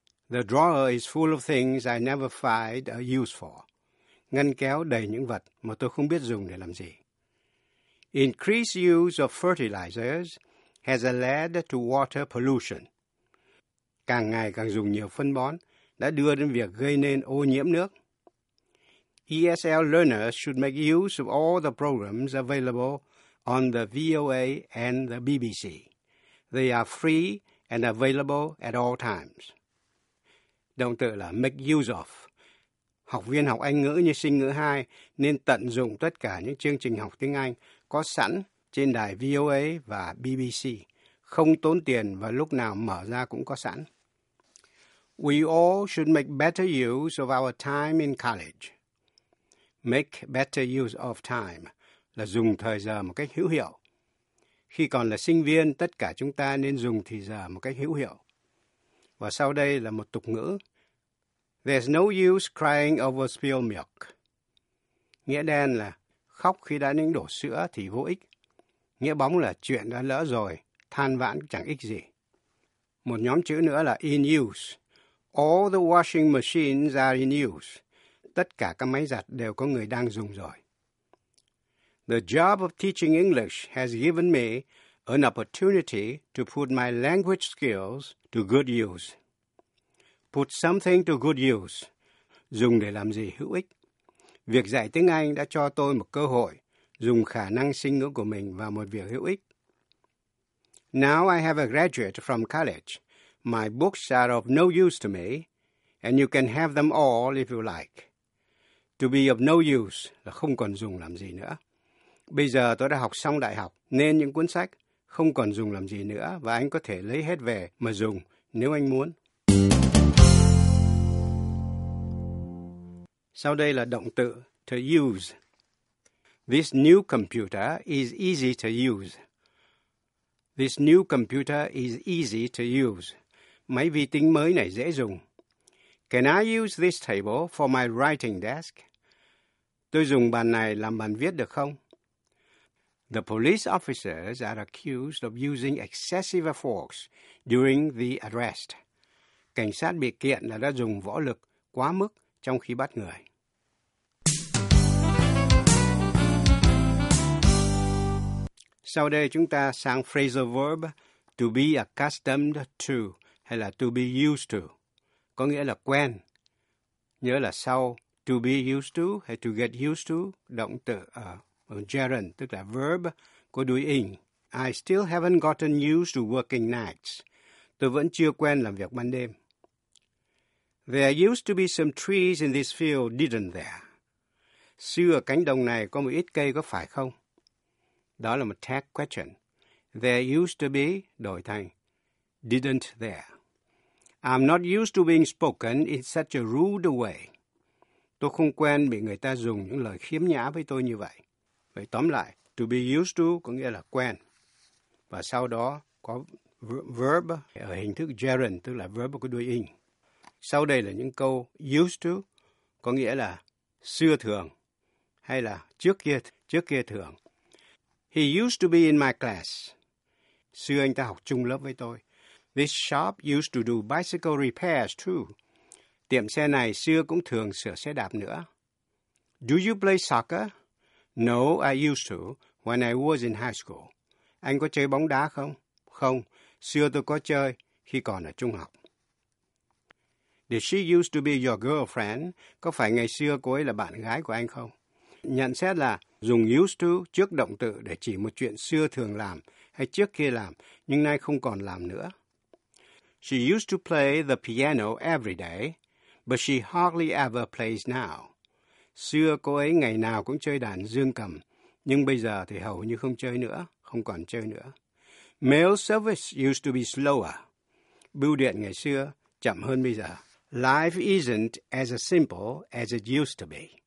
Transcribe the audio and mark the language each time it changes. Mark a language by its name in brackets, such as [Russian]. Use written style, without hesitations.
[English] The drawer is full of things I never find a use for. [Vietnamese] Ngăn kéo đầy những vật mà tôi không biết dùng để làm gì. [English] Increased use of fertilizers has led to water pollution. [Vietnamese] Càng ngày càng dùng nhiều phân bón đã đưa đến việc gây nên ô nhiễm nước. [English] ESL learners should make use of all the programs available on the VOA and the BBC. They are free and available at all times. [Vietnamese] Động từ là make use of. Học viên học Anh ngữ như sinh ngữ 2 nên tận dụng tất cả những chương trình học tiếng Anh có sẵn trên đài VOA và BBC. Không tốn tiền và lúc nào mở ra cũng có sẵn. [English] We all should make better use of our time in college. [Vietnamese] Make better use of time là dùng thời giờ một cách hữu hiệu. Khi còn là sinh viên, tất cả chúng ta nên dùng thời giờ một cách hữu hiệu. Và sau đây là một tục ngữ. [English] There's no use crying over spilled milk. [Vietnamese] Nghĩa đen là khóc khi đã đánh đổ sữa thì vô ích. Nghĩa bóng là chuyện đã lỡ rồi, than vãn chẳng ích gì. Một nhóm chữ nữa là in use. [English] All the washing machines are in use. [Vietnamese] Tất cả các máy giặt đều có người đang dùng rồi. [English] The job of teaching English has given me an opportunity to put my language skills to good use. Put something to good use. [Vietnamese] Dùng để làm gì hữu ích. Việc dạy tiếng Anh đã cho tôi một cơ hội dùng khả năng sinh ngữ của mình vào một việc hữu ích. [English] Now I have a graduate from college. My books are of no use to me, and you can have them all if you like. [Vietnamese] To be of no use là không còn dùng làm gì nữa. Bây giờ tôi đã học xong đại học, nên những cuốn sách không còn dùng làm gì nữa, và anh có thể lấy hết về mà dùng nếu anh muốn. Sau đây là động từ to use. [English] This new computer is easy to use. This new computer is easy to use. [Vietnamese] Máy vi tính mới này dễ dùng. [English] Can I use this table for my writing desk? [Vietnamese] Tôi dùng bàn này làm bàn viết được không? [English] The police officers are accused of using excessive force during the arrest. [Vietnamese] Cảnh sát bị kiện là đã dùng võ lực quá mức trong khi bắt người. Sau đây chúng ta sang phrasal verb to be accustomed to hay là to be used to, có nghĩa là quen. Nhớ là sau to be used to hay to get used to, động từ gerund, tức là verb, có đuôi ing. [English] I still haven't gotten used to working nights. [Vietnamese] Tôi vẫn chưa quen làm việc ban đêm. [English] There used to be some trees in this field, didn't there? [Vietnamese] Xưa cánh đồng này có một ít cây có phải không? Đó là một tag question. There used to be, đổi thành, didn't there. [English] I'm not used to being spoken in such a rude way. [Vietnamese] Tôi không quen bị người ta dùng những lời khiếm nhã với tôi như vậy. Vậy tóm lại, to be used to có nghĩa là quen. Và sau đó có verb ở hình thức gerund, tức là verb có đuôi ing. Sau đây là những câu used to, có nghĩa là xưa thường, hay là trước kia thường. [English] He used to be in my class. [Vietnamese] Xưa anh ta học chung lớp với tôi. [English] This shop used to do bicycle repairs too. [Vietnamese] Tiệm xe này xưa cũng thường sửa xe đạp nữa. [English] Do you play soccer? No, I used to when I was in high school. [Vietnamese] Anh có chơi bóng đá không? Không, xưa tôi có chơi khi còn ở trung học. [English] Did she used to be your girlfriend? [Vietnamese] Có phải ngày xưa cô ấy là bạn gái của anh không? Nhận xét là dùng used to trước động từ để chỉ một chuyện xưa thường làm hay trước kia làm, nhưng nay không còn làm nữa. [English] She used to play the piano every day, but she hardly ever plays now. [Vietnamese] Xưa cô ấy ngày nào cũng chơi đàn dương cầm, nhưng bây giờ thì hầu như không chơi nữa, không còn chơi nữa. [English] Mail service used to be slower. [Vietnamese] Bưu điện ngày xưa chậm hơn bây giờ. [English] Life isn't as simple as it used to be.